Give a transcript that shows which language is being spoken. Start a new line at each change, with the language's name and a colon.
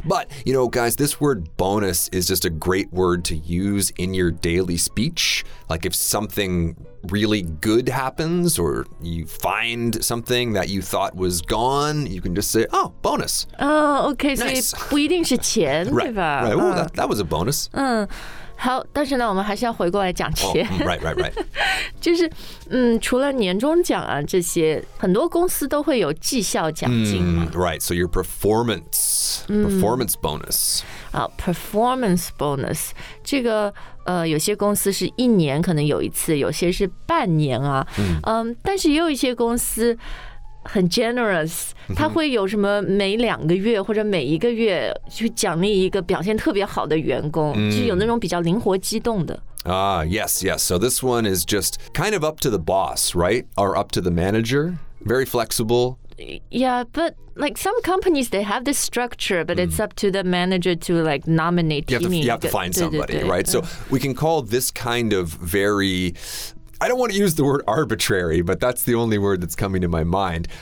English: But, you know, guys, this word bonus is just a great word to use in your daily speech. Like if something really good happens or you find something that you thought was gone, you can just say, oh, bonus. Oh, okay. Nice.
Chinese: 所以不一定是钱, 对吧?
English: Right, right. Ooh, that was a bonus.
Chinese: 好但是呢我们还是要回过来讲钱、
English: oh, right, right, right.
Chinese: 就是、除了年终奖啊这些很多公司都会有绩效奖金、
English: Right, so your performance,、performance bonus. Performance bonus.
Chinese: 这个、有些公司是一年可能有一次有些是半年啊、但是也有一些公司很 generous, 他会有什么每两个月或者每一个月去奖励一个表现特别好的员工、就有那种比较灵活机动的。
English: Yes, yes. So this one is just kind of up to the boss, right? Or up to the manager. Very flexible. Yeah, but like some companies, they have this structure, but it's up to the manager to like nominate. You have to find somebody, right? So we can call this kind of very... I don't want to use the word arbitrary, but that's the only word that's coming to my mind.